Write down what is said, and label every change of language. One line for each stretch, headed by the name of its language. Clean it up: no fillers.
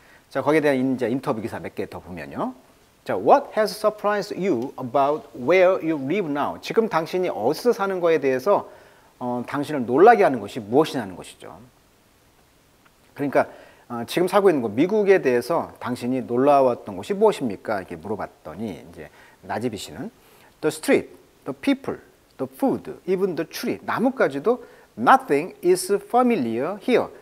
Korean: 자, 거기에 대한 이제 인터뷰 기사 몇 개 더 보면요.
English: 자, What has surprised you about where you live now?
Korean: 지금 당신이 어디서 사는 거에 대해서 당신을 놀라게 하는 것이 무엇이냐는 것이죠. 그러니까 지금 살고 있는 곳, 미국에 대해서 당신이 놀라웠던 것이 무엇입니까? 이렇게 물어봤더니 이제 나지비 씨는
English: The street, the people, the food, even the tree,
Korean: 나뭇가지도
English: Nothing is familiar here.